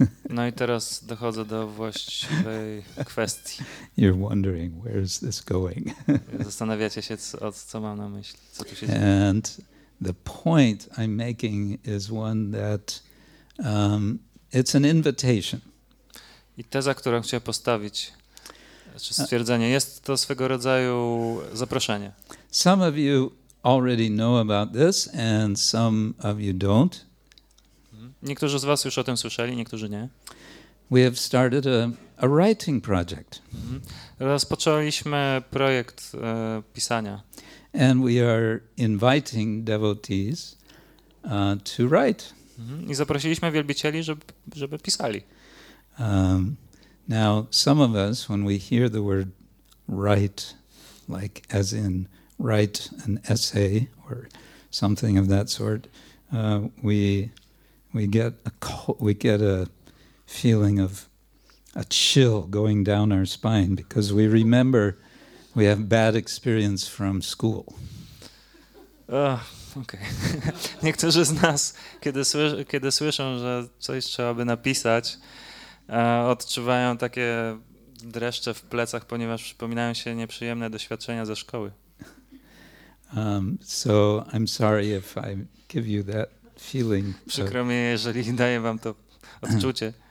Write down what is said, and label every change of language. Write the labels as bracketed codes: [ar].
[pl] No i teraz dochodzę do właściwej kwestii. [en] You're wondering, where is this going? [pl] Zastanawiacie się, co mam na myśli, co tu się dzieje. [en] And the point I'm making is one that it's an invitation. [pl] I teza, którą chciałem postawić, czy stwierdzenie, jest to swego rodzaju zaproszenie. [en] Some of you already know about this and some of you don't. [pl] Niektórzy z was już o tym słyszeli, niektórzy nie. [en] We have started a writing project. Mm-hmm. [pl] Rozpoczęliśmy projekt pisania. [en] And we are inviting devotees to write. Mm-hmm. [pl] I zaprosiliśmy wielbicieli, żeby pisali. [en] Now, some of us, when we hear the word write, like as in write an essay or something of that sort, we get a feeling of a chill going down our spine because we remember we have bad experience from school. Okay. [pl] Niektórzy z nas, kiedy słyszą, że coś trzeba by napisać, odczuwają takie dreszcze w plecach, ponieważ przypominają się nieprzyjemne doświadczenia ze szkoły. [en] So I'm sorry if I give you that feeling. [pl] Przykro mi, jeżeli daję wam to odczucie.